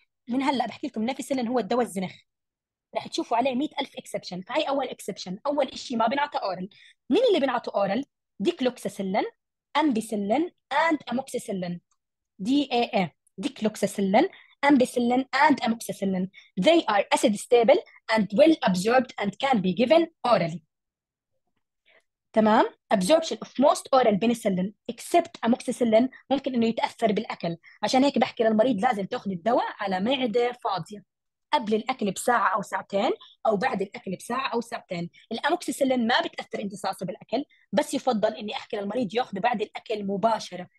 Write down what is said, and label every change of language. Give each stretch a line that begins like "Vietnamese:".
Arabic: من هلا بحكي لكم نافيسيلين هو الدواء الزنخ، راح تشوفوا عليه 100,000 اكسبشن. فهي اول اكسبشن، اول شيء ما بنعطى اورال. مين اللي بنعطى اورال؟ ديكلوكسيسيلين، امبيسيلين اند اموكسيسيلين. دي اي اي ديكلوكسيسيلين، امبيسيلين اند اموكسيسيلين.
English: They are acid stable and well absorbed and can be given orally.
Arabic: تمام؟
English: absorption of most oral penicillin except amoxicillin
Arabic: ممكن انه يتاثر بالاكل، عشان هيك بحكي للمريض لازم تاخذ الدواء على معده فاضيه قبل الاكل بساعه او ساعتين او بعد الاكل بساعه او ساعتين. الاموكسيسيلين ما بتاثر امتصاصه بالاكل، بس يفضل اني احكي للمريض ياخذه بعد الاكل مباشره.